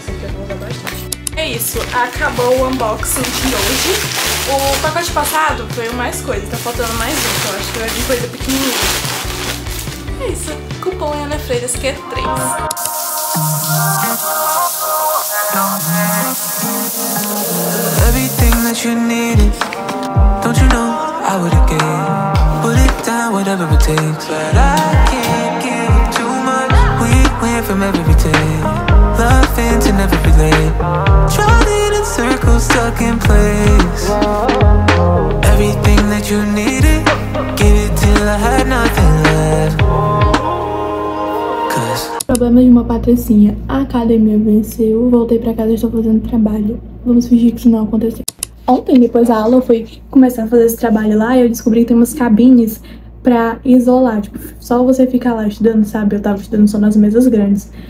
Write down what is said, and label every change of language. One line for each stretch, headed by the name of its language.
Portuguese: Essa aqui eu vou usar bastante. É isso, acabou o unboxing de hoje. O pacote passado foi mais coisa, tá faltando mais um, então acho que vai vir coisa pequenininha. É isso, cupom é Ana Freitas, que é 3.
English: Everything that you needed, don't you know I would have gave? Put it down, whatever it takes. But I can't give too much. We went from every day, loving to never be late. Drowning in circles, stuck in place. Everything that you needed, give it till I had nothing left.
Portuguese: Problema de uma patricinha. A academia venceu. Voltei pra casa e estou fazendo trabalho. Vamos fingir que isso não aconteceu. Ontem, depois da aula, eu fui começar a fazer esse trabalho lá e eu descobri que tem umas cabines pra isolar. Tipo, só você ficar lá estudando, sabe? Eu tava estudando só nas mesas grandes.